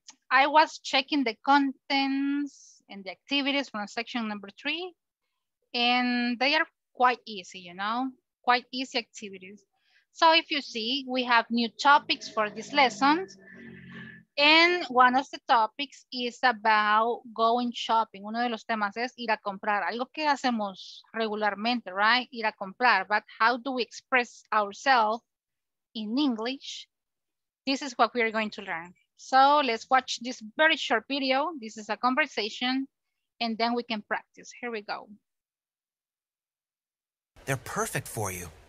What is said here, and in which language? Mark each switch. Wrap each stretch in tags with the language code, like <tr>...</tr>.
<en>I was checking the contents and the activities from section number 3, and they are quite easy, you know, quite easy activities. So if you see, we have new topics for this lesson. And one of the topics is about going shopping.</en> <es>Uno de los temas es ir a comprar, algo que hacemos regularmente, right? Ir a comprar,</es> <en>but how do we express ourselves in English? This is what we are going to learn. So let's watch this very short video. This is a conversation and then we can practice. Here we go. They're perfect for you.</en>